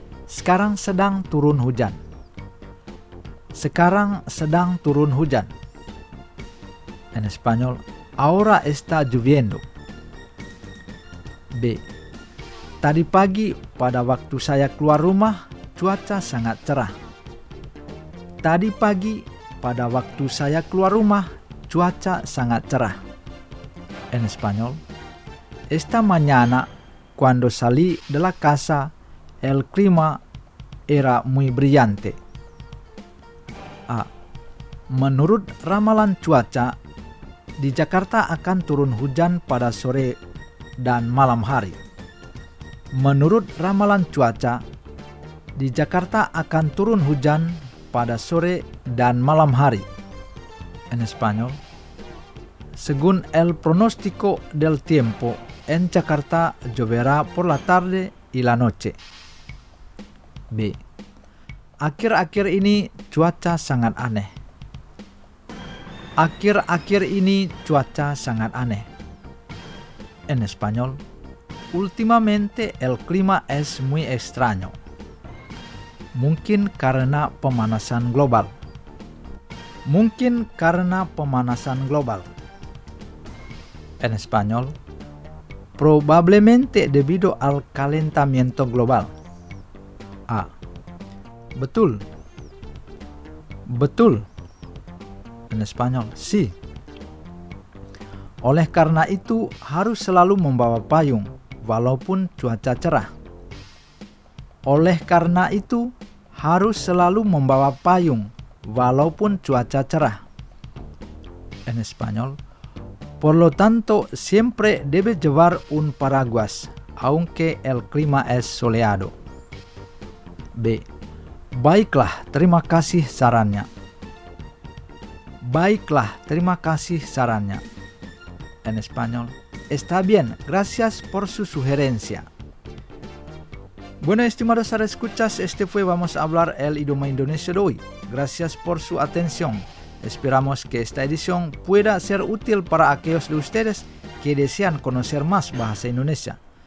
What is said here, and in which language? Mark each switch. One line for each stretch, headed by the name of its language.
Indonesian: Sekarang sedang turun hujan. Sekarang sedang turun hujan.
Spanish: En español, ahora está lloviendo. B.
Indonesian: Tadi pagi pada waktu saya keluar rumah, cuaca sangat cerah. Tadi pagi pada waktu saya keluar rumah, cuaca sangat cerah.
Spanish: En español, esta mañana cuando salí de la casa, el clima era muy brillante. A.
Indonesian: Menurut ramalan cuaca, di Jakarta akan turun hujan pada sore dan malam hari. Menurut ramalan cuaca, di Jakarta akan turun hujan pada sore dan malam hari.
Spanish: En español, según el pronóstico del tiempo, en Jakarta lloverá por la tarde y la noche. B.
Indonesian: Akhir-akhir ini cuaca sangat aneh. Akhir-akhir ini cuaca sangat aneh.
Spanish: En español, últimamente el clima es muy extraño.
Indonesian: Mungkin karena pemanasan global. Mungkin karena pemanasan global.
Spanish: En español, probablemente debido al calentamiento global.
Indonesian: A. Betul. Betul.
Spanish: En español, sí.
Indonesian: Oleh karena itu, harus selalu membawa payung, walaupun cuaca cerah. Oleh karena itu, harus selalu membawa payung, walaupun cuaca cerah.
Spanish: En español, por lo tanto, siempre debe llevar un paraguas, aunque el clima es soleado. B.
Indonesian: Baiklah, terima kasih sarannya. Baiklah, terima kasih sarannya.
Spanish: En español, está bien, gracias por su sugerencia. Bueno, estimados escuchas, este fue Vamos a Hablar el Idioma Indonesio de hoy. Gracias por su atención. Esperamos que esta edición pueda ser útil para aquellos de ustedes que desean conocer más bahasa Indonesia.